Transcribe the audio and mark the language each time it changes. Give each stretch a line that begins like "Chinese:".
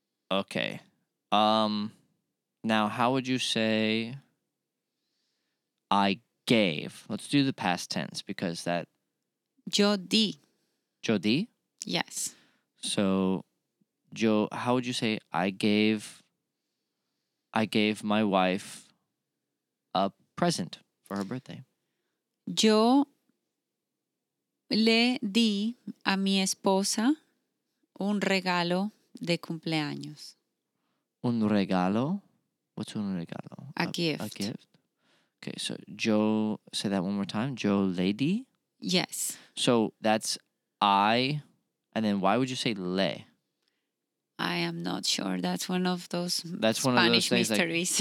English: Okay. Now, how would you say I gave? Let's do the past tense because that...
Spanish: Yo di. Yo di?
English: Yes. So, yo, how would you say I gave my wife... a present for her birthday.
Spanish: Yo le di a mi esposa un regalo de cumpleaños. Un regalo?
English: What's
Spanish: un regalo?
English: A gift. A gift. Okay, so yo, say that one more time.
Spanish: Yo le di?
English: Yes. So that's I, and then why would you say le? I am not sure. That's one of those Spanish mysteries.